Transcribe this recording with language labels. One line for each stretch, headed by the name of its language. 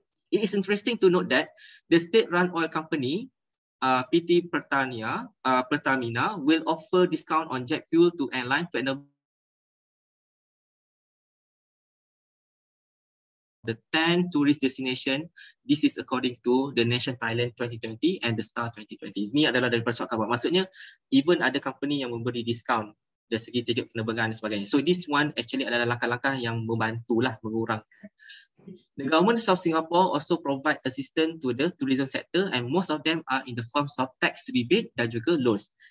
English: It is interesting to note that the state-run oil company, PT Pertania, Pertamina, will offer discount on jet fuel to airline to enable the 10 tourist destination. This is according to the Nation Thailand 2020 and the Star 2020.
Malay: Ini adalah daripada surat khabar. Maksudnya, even ada company yang memberi discount dari segi tiket penerbangan dan sebagainya.
English: So this one actually
Malay: adalah langkah-langkah yang membantulah mengurangkan.
English: The government of Singapore also provide assistance to the tourism sector and most of them are in the forms of tax rebate
Malay: dan juga
English: loans.